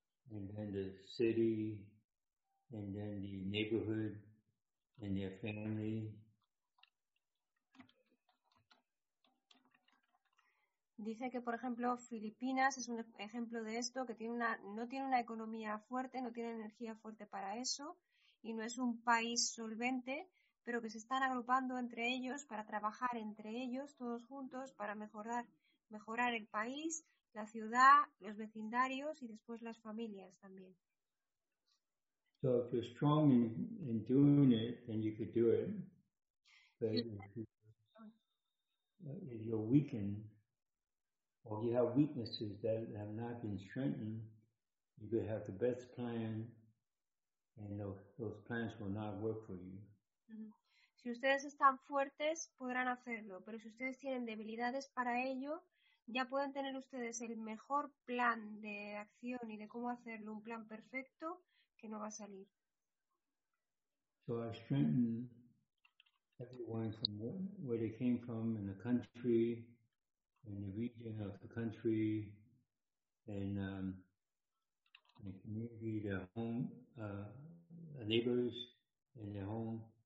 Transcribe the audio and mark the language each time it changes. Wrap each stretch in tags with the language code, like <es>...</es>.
<en>And then the city, and then the neighborhood, and their family.</en> <es>Dice que, por ejemplo, Filipinas es un ejemplo de esto, que tiene no tiene una economía fuerte, no tiene energía fuerte para eso, y no es un país solvente, pero que se están agrupando entre ellos para trabajar entre ellos, todos juntos, para mejorar el país, la ciudad, los vecindarios y después las familias también.</es> <en>So if you're strong in doing it, then you could do it. But if you're weakened, or you have weaknesses that have not been strengthened, you could have the best plan, and those plans will not work for you. Mm-hmm.</en> <es>Si ustedes están fuertes, podrán hacerlo, pero si ustedes tienen debilidades para ello, ya pueden tener ustedes el mejor plan de acción y de cómo hacerlo, un plan perfecto que no va a salir.</es> <en>So I strengthen everyone from where they came from in the country, in the region of the country, and the community, their home, the neighbors and their home.</en>